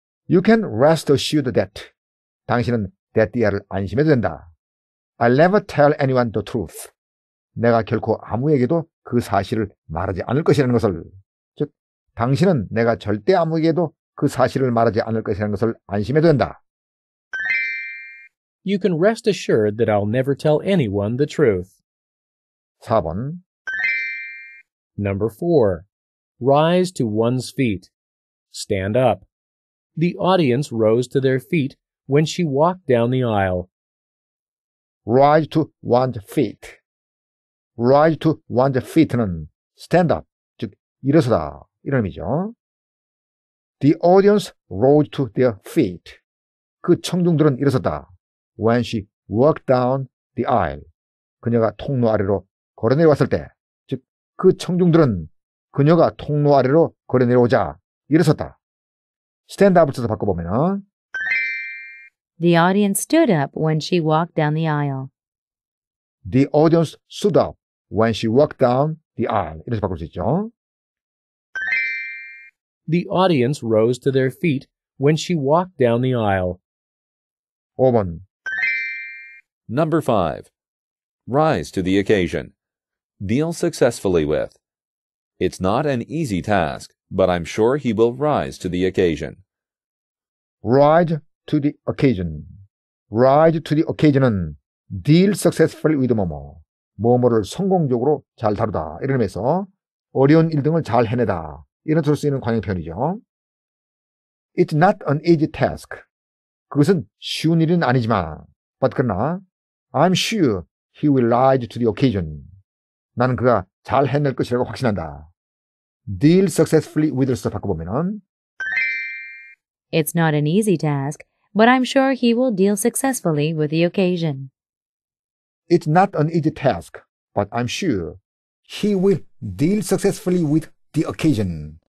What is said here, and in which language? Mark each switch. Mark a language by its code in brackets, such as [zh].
[en] You can rest assured that. [ko] 당신은 that dear를 안심해도 된다. [en] I'll never tell anyone the truth. [ko] 내가 결코 아무에게도 그 사실을 말하지 않을 것이라는 것을. 즉, 당신은 내가 절대 아무에게도 그 사실을 말하지 않을 것이라는 것을 안심해도 된다. [en] You can rest assured that I'll never tell anyone the truth. [ko] 4번. [en] Number 4. Rise to one's feet. Stand up. The audience rose to their feet when she walked down the aisle. Rise to one's feet. Rise to one's feet는 stand up, [ko] 즉 일어서다 이런 의미죠. [en] The audience rose to their feet. [ko] 그 청중들은 일어섰다. [en] When she walked down the aisle. [ko] 그녀가 통로 아래로 걸어내려왔을 때, 즉 그 청중들은 그녀가 통로 아래로 걸어내려오자 일어섰다. Stand up을 써서 바꿔보면 [en] The audience stood up when she walked down the aisle. The audience stood up when she walked down the aisle. [ko] 이렇게 바꿀 수 있죠. [en] The audience rose to their feet when she walked down the aisle. [ko] 5번. [en] Number 5. Rise to the occasion. Deal successfully with. It's not an easy task, but I'm sure he will rise to the occasion. Rise to the occasion. Rise to the occasion은 deal successfully with 뭐뭐. [ko] 뭐뭐를 성공적으로 잘 다루다. 이런 의미에서 어려운 일 등을 잘 해내다. 이런 뜻으로 쓰이는 관용 표현이죠. [en] It's not an easy task. [ko] 그것은 쉬운 일은 아니지만. [en] But 그러나, I'm sure he will rise to the occasion. [ko] 나는 그가 잘 해낼 것이라고 확신한다. [en] Deal successfully with를 바꿔보면은 It's not an easy task, but I'm sure he will deal successfully with the occasion. It's not an easy task, but I'm sure he will deal successfully with the occasion.